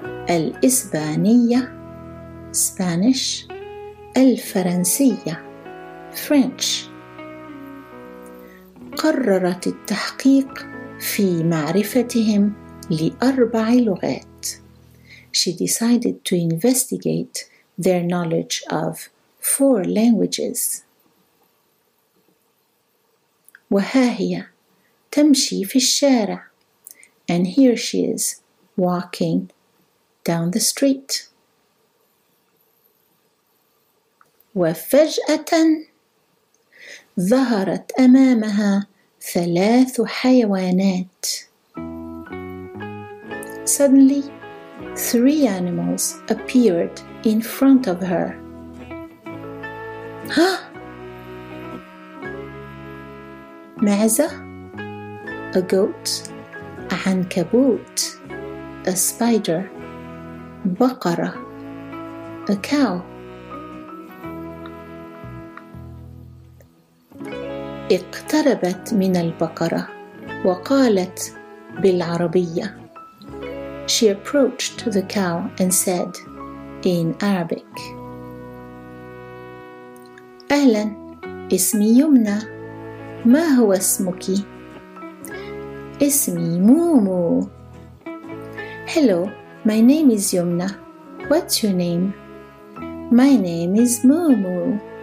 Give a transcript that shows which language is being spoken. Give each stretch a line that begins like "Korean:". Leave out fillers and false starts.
Arabic: الإسبانية
English: Spanish.
Arabic: الفرنسية
English: French.
Arabic: قررت التحقيق في معرفتهم لأربع لغات.
English: She decided to investigate their knowledge of four languages.
Arabic: وها هي تمشي في الشارع.
English: And here she is walking down the street.
Arabic: وفجأة ظهرت أمامها ثلاث حيوانات.
English: Suddenly, three animals appeared in front of her. ها!
Arabic: معزة,
English: a goat,
Arabic: عنكبوت,
English: a spider,
Arabic: بقرة,
English: a cow.
Arabic: اقتربت من البقرة وقالت بالعربية.
English: She approached the cow and said in Arabic.
Arabic: أهلا اسمي يمنى ما هو اسمك؟ اسمي مومو.
English: Hello, my name is يمنى. What's your name? My name is مومو.